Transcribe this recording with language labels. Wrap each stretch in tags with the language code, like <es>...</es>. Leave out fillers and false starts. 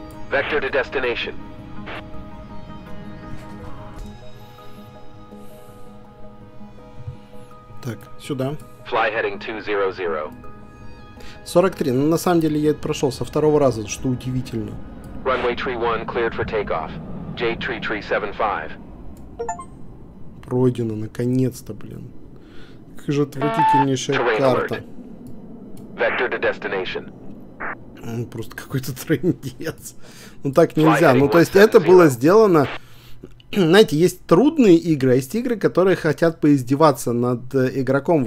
<en>Vector to destination.</en> <ru>Так, сюда.</ru> <en>Fly heading 200.</en> <ru>43, ну на самом деле я это прошел со второго раза, что удивительно.</ru> <en>Runway 31 cleared for takeoff. J3375.</en> <ru>Пройдено, наконец-то, блин. Какая же отвратительнейшая</ru> <en>Terrain</en> <ru>карта.</ru> <en>Alert. Vector to destination.</en> <ru>Просто какой-то трындец. Ну так нельзя. Ну то есть это было сделано... Знаете, есть трудные игры, а есть игры, которые хотят поиздеваться над игроком.</ru>